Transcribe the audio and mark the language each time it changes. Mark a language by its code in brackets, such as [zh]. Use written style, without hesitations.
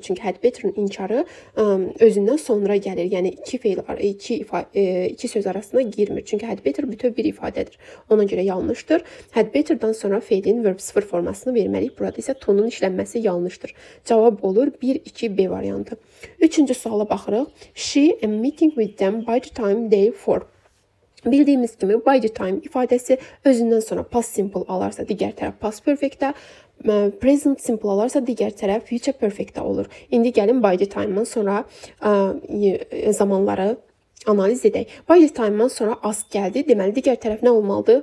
[az] Çünki had better-ın inkarı özündən sonra gəlir. Yəni 2 feil var, 2 söz arasında girmir. Çünki had better bütöv bir ifadədir. Ona görə yanlışdır. Had better dan sonra feilin verb 0 formasını verməliyik. Burada isə tonun işlənməsi yanlışdır. Cavab olur 1 2 B variantı. 3-cü suala baxırıq. [en] She a meeting with them by the time they for. [az] Bildiyimiz kimi by the time ifadəsi özündən sonra past simple alarsa digər tərəf past perfectdə, present simple alarsa digər tərəf future perfectdə olur. İndi gəlin by the time-dan sonra zamanları analiz edək. By the time-dan sonra ask gəldi. Deməli, digər tərəf nə olmalıdır?